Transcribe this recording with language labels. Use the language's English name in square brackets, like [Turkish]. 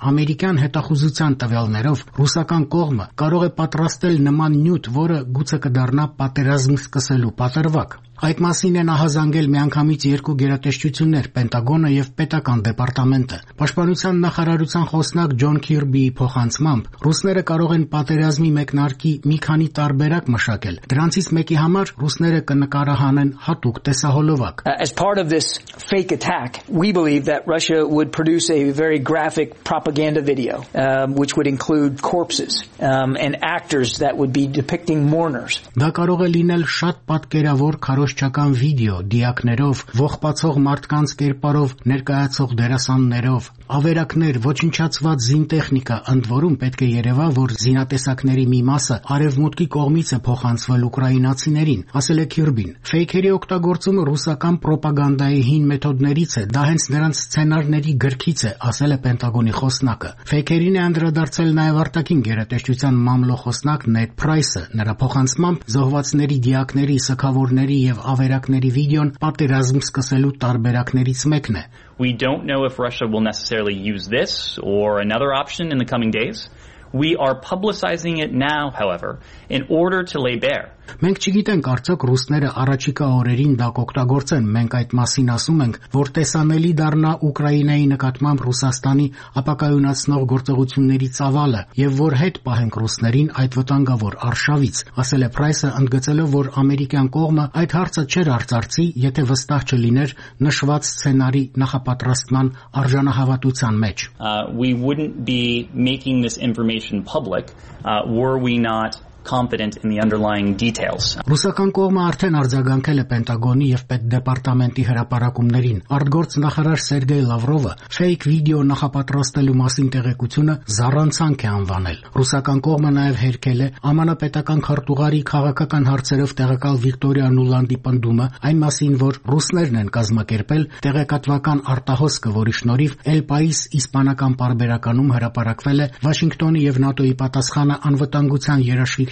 [Armenian] Ամերիկյան հետախուզության տվյալներով ռուսական կողմը կարող է պատրաստել նման նյութ, որը գուցե կդառնա պատերազմ սկսելու պատրվակ։ Այդ մասին են ահազանգել միանգամից երկու գերատեսչություններ՝ Պենտագոնը եւ Պետական դեպարտամենտը։ Պաշտպանության նախարարության խոսնակ Ջոն Քիրբիի փոխանցմամբ ռուսները կարող են պատերազմի մեկնարկի մի քանի տարբերակ մշակել, դրանցից մեկի համար ռուսները կնկարահանեն հատուկ տեսահոլովակ։ [English] As part of this fake attack, we believe that Russia would produce a very graphic propaganda video, which would include corpses and actors that would be depicting mourners. [Armenian] Դա կարող է լինել շատ պատկերավոր հարոշչական վիդեո, դիակներով, ողբացող մարդկանց կերպարով ներկայացող դերասաններով, ավերակներ, ոչնչացված զինտեխնիկա, ընդ որում պետք է երևա, որ զինատեսակների մի մասը արևմուտքի կողմից է փոխանցվել ուկրաինացիներին, ասել է Քիրբին։ Ֆեյքերի օգտագործումը ռուսական ռոպագանդայի հին մեթոդներից է, դա հենց նրանց սցենարների գրքից է, ասել է Պենտագոնի խոսնակը։ Ֆեյքերին է անդրադարձել նաև արտաքին գերատեսչության մամլո խոսնակ Նեդ Փրայսը, նրա փոխանցմամբ զոհվածների դիակների, սկավորների եւ ավերակների վիդեոն պատերազմ սկսելու տարբերակներից մեկն է։ [English] We don't know if Russia will necessarily use this or another option in the coming days. We are publicizing it now, however, in order to lay bare. [Armenian] Մենք չգիտենք, արդյոք ռուսները առաջիկա օրերին դա կօգտագործեն, մենք այդ մասին ասում ենք, որ տեսանելի դառնա Ուկրաինայի նկատմամբ Ռուսաստանի ապակայունացնող գործողությունների ցավալը, եւ որ հետ պահենք ռուսներին այդ վտանգավոր արշավից, ասել է Price-ը, ընդգծելով, որ ամերիկյան կողմը այդ հարցը չէր արձարծի, եթե վստահ չլիներ նշված սցենարի նախապատրաստման արժանահավատության մեջ։ [English] We wouldn't be making this information public were we not confident in the underlying details. [Armenian] Ռուսական կողմը արդեն արձագանքել է Պենտագոնի եւ Պետդեպարտամենտի հրապարակումներին։ Արտգործ նախարար Սերգեյ Լավրովը fake video նախապատրաստելու մասին տեղեկությունը զառանցանք է անվանել։ Ռուսական կողմը նաեւ հերքել է ԱՄՆ-պետական քարտուղարի քաղաքական հարցերով տեղակալ Վիկտորիա Նուլանդի պնդումը այն մասին, որ ռուսներն են կազմակերպել տեղեկատվական արտահոսքը, որի շնորհիվ El País իսպանական պարբերականում հրապարակվել է Վաշինգտոնի եւ ՆԱՏՕ-ի պատասխանը անվտանգության երաշխիքի